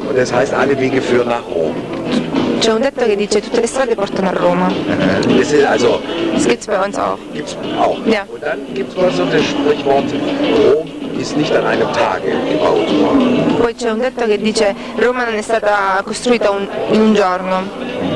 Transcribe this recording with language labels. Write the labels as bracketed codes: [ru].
[de] Das heißt, alle Wege führen nach Rom. [it] C'è un detto che dice tutte le strade portano a Roma. [de] Das ist also. Es gibt's bei uns auch. Gibt's auch. Ja. Und dann gibt's noch so das Sprichwort: Rom ist nicht an einem Tage gebaut worden. [it] Poi c'è un detto che dice Roma non è stata costruita in un giorno.